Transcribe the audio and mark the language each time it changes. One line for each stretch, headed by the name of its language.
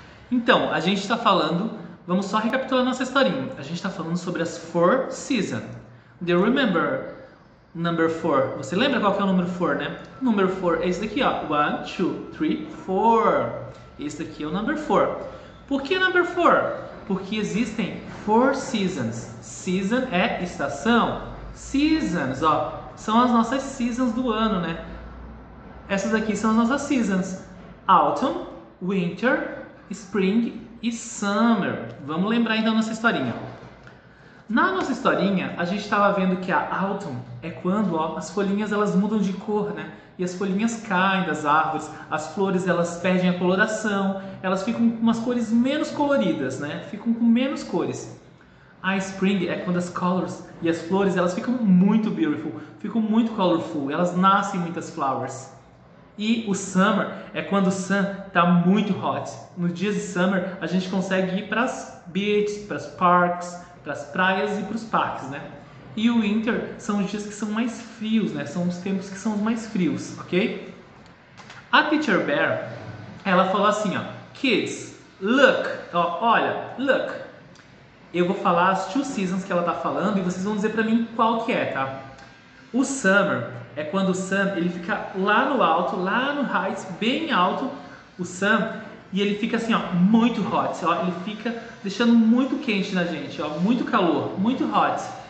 Portuguese: Então, a gente está falando, vamos só recapitular nossa historinha. A gente está falando sobre as four seasons.
English: Do you remember number four?
Portuguese: Você lembra qual que é o número four, né? Number four é esse daqui, ó.
English: One, two, three, four.
Portuguese: Esse daqui é o number four. Por que number four? Porque existem
English: four seasons.
Portuguese: Season é estação. Seasons, ó, são as nossas seasons do ano, né? Essas aqui são as nossas seasons: Autumn, Winter, Spring e Summer. Vamos lembrar então nossa historinha. Na nossa historinha, a gente estava vendo que a Autumn é quando, ó, as folhinhas elas mudam de cor, né? E as folhinhas caem das árvores, as flores elas perdem a coloração, elas ficam com umas cores menos coloridas, né? Ficam com menos cores. A Spring é quando as colors e as flores elas ficam
English: muito beautiful,
Portuguese: ficam
English: muito colorful,
Portuguese: elas nascem
English: muitas flowers.
Portuguese: E o summer é quando o sun tá muito hot. Nos dias de summer, a gente consegue ir
English: pras beaches, pras parks,
Portuguese: pras praias e pros parques, né? E o winter são os dias que são mais frios, né? São os tempos que são os mais frios, ok? A Teacher Bear, ela falou assim, ó:
English: "Kids, look,
Portuguese: ó, olha, look." Eu vou falar as
English: two seasons
Portuguese: que ela tá falando e vocês vão dizer para mim qual que é, tá? O summer é quando o sun ele fica lá no alto,
English: lá no heights,
Portuguese: bem alto, o sun, e ele fica assim, ó, muito hot, ó, ele fica deixando muito quente na gente, ó, muito calor, muito hot.